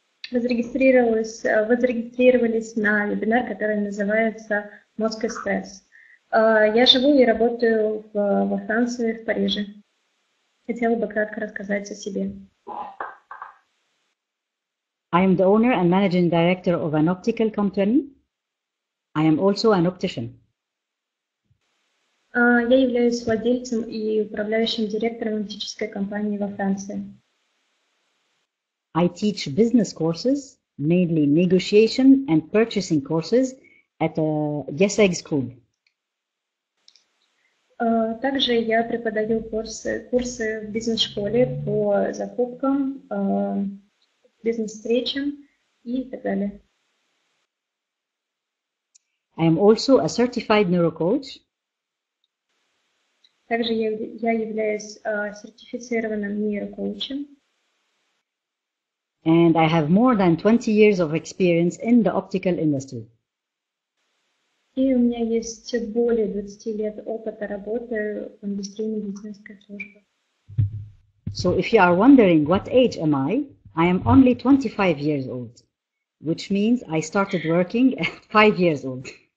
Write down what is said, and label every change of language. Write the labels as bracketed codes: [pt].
[ru] Вы зарегистрировались на вебинар, который называется «Мозг и стресс». Я живу и работаю во Франции, в Париже. Хотела бы кратко рассказать о себе. [en] I am the owner and managing director of an optical company. I am also an optician. [ru] Я являюсь владельцем и управляющим директором оптической компании во Франции. [en] I teach business courses, mainly negotiation and purchasing courses, at a YesEgg school. [ru] Также я преподаю курсы в бизнес-школе по закупкам, бизнес-встречам и так далее. [en] I am also a certified neurocoach. [ru] Также я являюсь сертифицированным нейрокоучем. [en] And I have more than 20 years of experience in the optical industry. [ru] И у меня есть более 20 лет опыта работы в индустрии медицинской службы. [en] So if you are wondering what age am I am only 25 years old, which means I started working at 5 years old.